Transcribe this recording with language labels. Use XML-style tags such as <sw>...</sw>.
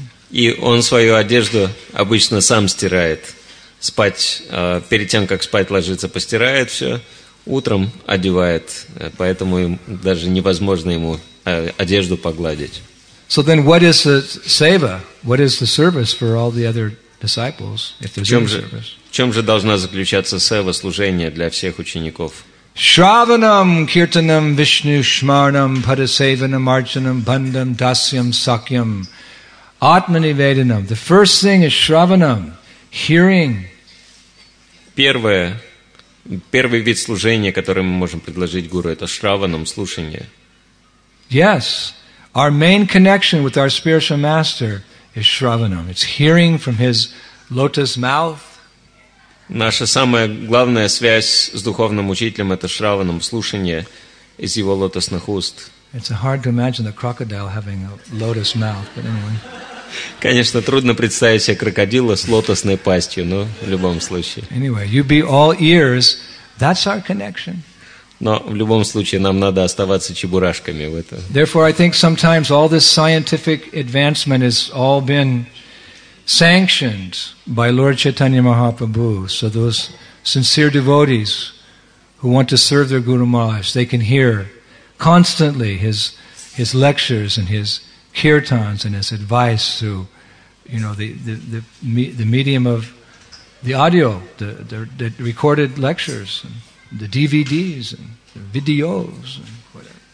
<ru>И он свою одежду обычно сам стирает. Перед тем, как спать ложится, постирает все. Утром одевает. Поэтому даже невозможно ему одежду погладить.</ru> <en>So then what is the seva? What is the service for all the other disciples?</en> <ru>В чем же должна заключаться сева, служение для всех учеников?</ru> <sa>Shravanam, kirtanam, vishnu, shmarnam, padasevanam, archanam, bandam, dasyam, sakyam.</sa> <en>Atmanivedanam. The first thing is shravanam, hearing.</en> <ru>Первый вид служения, который мы можем предложить гуру, это шраванам, слушание.</ru> <en>Yes, our main connection with our spiritual master is shravanam. It's hearing from his lotus mouth.</en> <ru>Наша самая главная связь с духовным учителем — это шраванам, слушание из его лотосных уст.</ru> <en>It's hard to imagine a crocodile having a lotus mouth, but anyway.</en> <ru>Конечно, трудно представить себе крокодила с лотосной пастью, но в любом случае.</ru> <en>Anyway, you be all ears. That's our connection.</en> <ru>Но в любом случае нам надо оставаться чебурашками в этом.</ru> <en>Therefore, I think sometimes all this scientific advancement has all been sanctioned by Lord Chaitanya Mahaprabhu, so those sincere devotees who want to serve their Guru Maharaj, they can hear constantly his lectures and his kirtans and his advice through, you know, the medium of the audio, the recorded lectures, and the DVDs and the videos and whatever.</en>